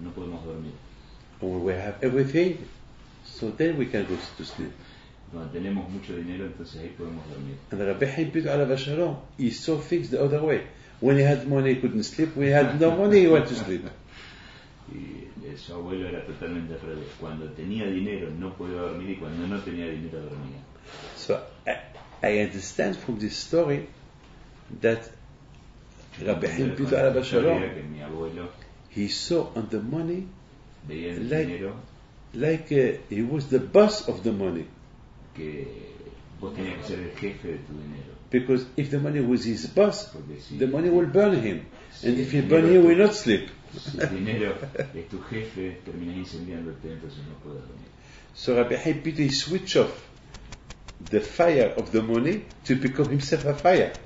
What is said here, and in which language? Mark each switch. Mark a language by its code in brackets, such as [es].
[en] When we have everything, so then we can go to sleep. [es] Cuando tenemos mucho dinero, entonces ahí podemos dormir. [en] And Rabbi Chaim Pinto Alav Shalom, he saw things the other way. When he had money, he couldn't sleep. When he had no money, he went to sleep. [es] Y su abuelo era totalmente al revés. Cuando tenía dinero, no podía dormir, y cuando no tenía dinero, dormía. [en] So I understand from this story that Rabbi Chaim Pinto Alav Shalom, [es] que mi abuelo, [en] he saw on the money, [es] veía el dinero, [en] like he was the boss of the money. [es] Que vos tenías que ser el jefe de tu dinero. [en] Because if the money was his boss, [es] si [en] the money will burn him. And if he burn him, will not sleep. [es] Si el dinero es tu jefe, terminas incendiándote, entonces no puedes dormir. [en] So Rabbi Chaim Pinto switch off the fire of the money to become himself a fire.